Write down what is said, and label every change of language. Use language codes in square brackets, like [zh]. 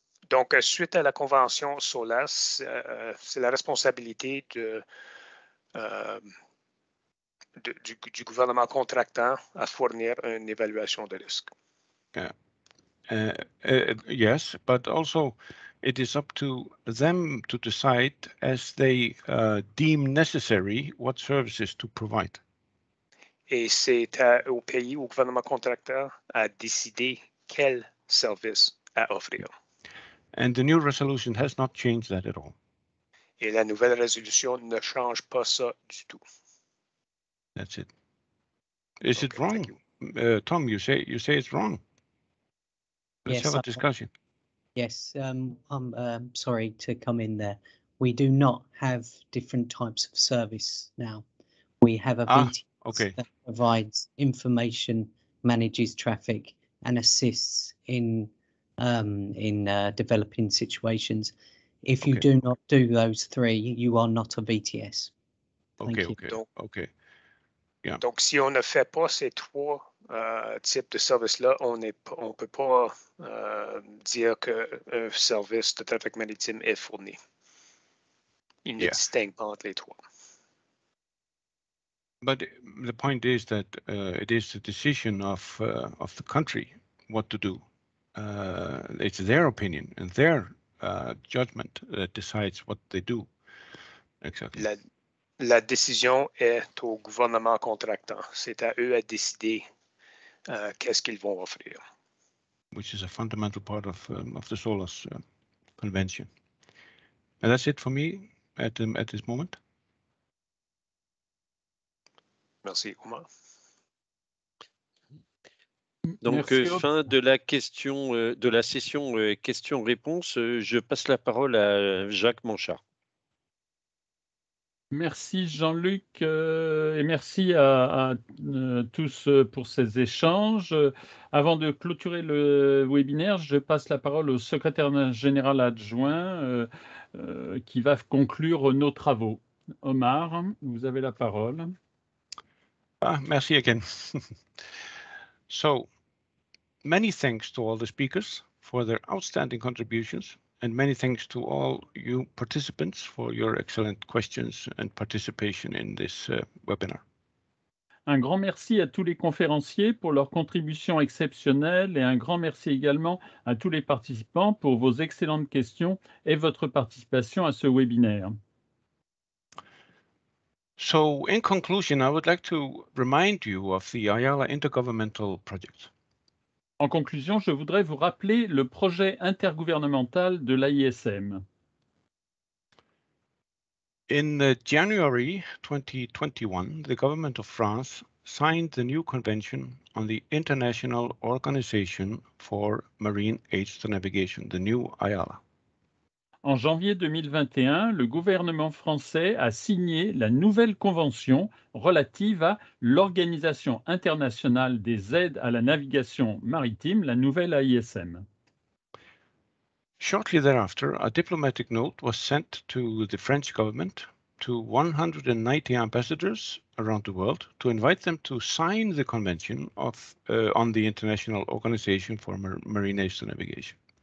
[fr] Donc, suite à la convention SOLAS, c'est la responsabilité du gouvernement contractant à fournir une évaluation de risque. [en] Yes, but also it is up to them to decide as they deem necessary what services to provide. [fr] Et c'est au pays, au gouvernement contractant, à décider quel service à offrir. [en] And the new resolution has not changed that at all. [fr] Et la nouvelle résolution ne change pas ça du tout. [en] That's it. Is okay, it wrong? Tom, you say it's wrong. Let's have a discussion. I'm sorry to come in there. We do not have different types of service now. We have a VTS that provides information, manages traffic, and assists in developing situations. If you do not do those three, you are not a VTS. Thank you. Okay. Yeah. [fr] Donc, si on ne fait pas ces trois types de services-là, on est, on peut pas dire qu'un service de trafic maritime est fourni. Il ne distingue pas entre les trois. [en] But the point is that it is the decision of the country what to do. It's their opinion and their judgment that decides what they do. Exactly. [fr] La décision est au gouvernement contractant. C'est à eux à décider qu'est-ce qu'ils vont offrir. [en] Which is a fundamental part of the SOLAS convention. And that's it for me at this moment. [fr] Merci, Omar. Donc, merci, fin de la question de la session questions-réponses. Je passe la parole à Jacques Manchat. Merci Jean-Luc et merci à tous pour ces échanges. Avant de clôturer le webinaire, je passe la parole au secrétaire général adjoint qui va conclure nos travaux. Omar, vous avez la parole. [en] Merci again. So, many thanks to all the speakers for their outstanding contributions. And many thanks to all you participants for your excellent questions and participation in this webinar. [fr] Un grand merci à tous les conférenciers pour leurs contributions exceptionnelles et un grand merci également à tous les participants pour vos excellentes questions et votre participation à ce webinaire. [en] So, in conclusion, I would like to remind you of the IALA Intergovernmental Project. [fr] En conclusion, je voudrais vous rappeler le projet intergouvernemental de l'AISM. [en] In January 2021, the government of France signed the new convention on the International Organization for Marine Aids to Navigation, the new IALA. [fr] En janvier 2021, le gouvernement français a signé la nouvelle convention relative à l'Organisation internationale des aides à la navigation maritime, la nouvelle AISM. [en] Shortly thereafter, a diplomatic note was sent to the French government to 190 ambassadors around the world to invite them to sign the convention of, on the International Organization for Marine Aids to Navigation.